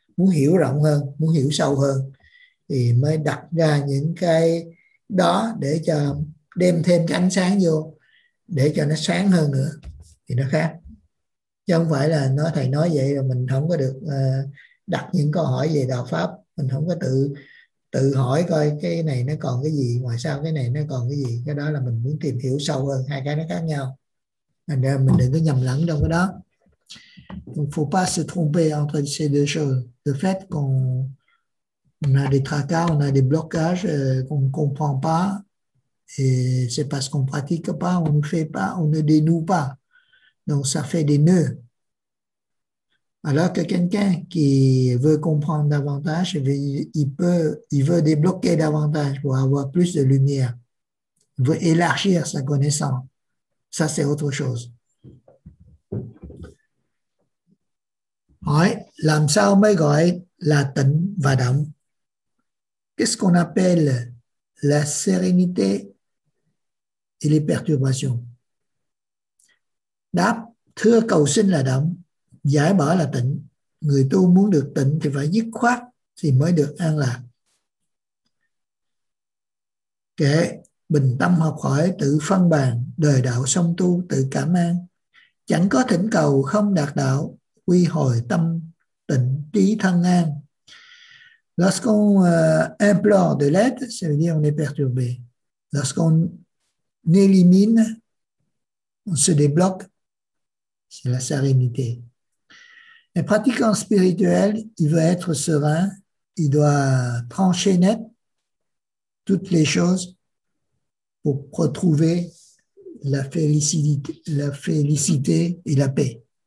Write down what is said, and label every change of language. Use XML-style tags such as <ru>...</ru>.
<vi>Muốn hiểu rộng hơn, muốn hiểu sâu hơn. Thì mới đặt ra những cái đó để cho đem thêm cái ánh sáng vô để cho nó sáng hơn nữa thì nó khác, chứ không phải là nói thầy nói vậy rồi mình không có được đặt những câu hỏi về đạo pháp, mình không có tự hỏi coi cái này nó còn cái gì, ngoài sao cái này nó còn cái gì, cái đó là mình muốn tìm hiểu sâu hơn, hai cái nó khác nhau, thành ra mình đừng có nhầm lẫn trong cái đó.</vi> <fr>Il faut pas se tromper entre ces deux choses, le fait qu'on on a des tracas, on a des blocages qu'on ne comprend pas. Et c'est parce qu'on ne pratique pas, on ne fait pas, on ne dénoue pas. Donc, ça fait des nœuds. Alors que quelqu'un qui veut comprendre davantage, il veut débloquer davantage pour avoir plus de lumière. Il veut élargir sa connaissance. Ça, c'est autre chose.</fr> <vi>Hỏi làm sao mới gọi là tĩnh và động?</vi> <fr>Qu'est-ce qu'on appelle la sérénité et les perturbations?</fr> <vi>Đáp, thưa cầu sinh là động, giải bỏ là tĩnh. Người tu muốn được tĩnh thì phải dứt khoát thì mới được an lạc. Kệ, bình tâm học hỏi, tự phân bàn, đời đạo song tu, tự cảm an. Chẳng có thỉnh cầu không đạt đạo, quy hồi tâm, tịnh trí thân an.</vi> <fr>Lorsqu'on implore de l'aide, ça veut dire on est perturbé. Lorsqu'on élimine, on se débloque, c'est la sérénité. Un pratiquant spirituel, il veut être serein, il doit trancher net toutes les choses pour retrouver la félicité et la paix.</fr>